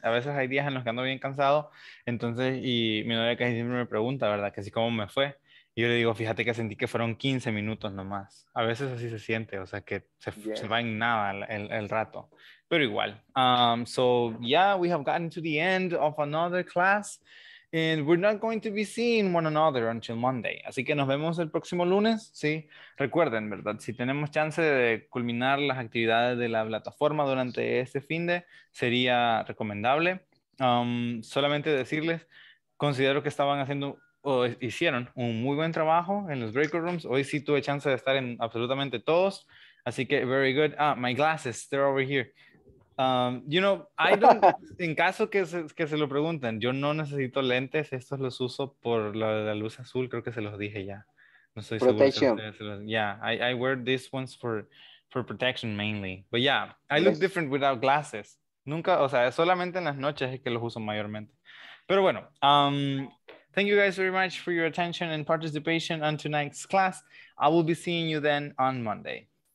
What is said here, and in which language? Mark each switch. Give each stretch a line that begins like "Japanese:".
Spanish: A veces hay días en los que ando bien cansado. Entonces, y mi novia casi siempre me pregunta, ¿verdad? Que sí, ¿cómo me fue? Y yo le digo, fíjate que sentí que fueron 15 minutos nomás. A veces así se siente. O sea, que se va en nada el rato. Pero igual.
English: So yeah, we have gotten to the end of another class and we're not going to be seeing one another until Monday.
Spanish: Así que nos vemos el próximo lunes, ¿sí? Recuerden, ¿verdad? Si tenemos chance de culminar las actividades de la plataforma durante este fin de, sería recomendable. Solamente decirles, considero que estaban haciendo o hicieron un muy buen trabajo en los breakout rooms. Hoy sí tuve chance de estar en absolutamente todos. Así que,
English: very good. Ah, my glasses, they're over here. You know, I don't,
Spanish: en caso que se lo pregunten, yo no necesito lentes, estos los uso por la, la luz azul, creo que se los dije ya. No estoy
English: protection.
Spanish: Seguro.
English: Yeah, I wear these ones for protection mainly. But yeah, I look different without glasses.
Spanish: Nunca, o sea, solamente en las noches es que los uso mayormente. Pero bueno,
English: thank you guys very much for your attention and participation on tonight's class. I will be seeing you then on Monday.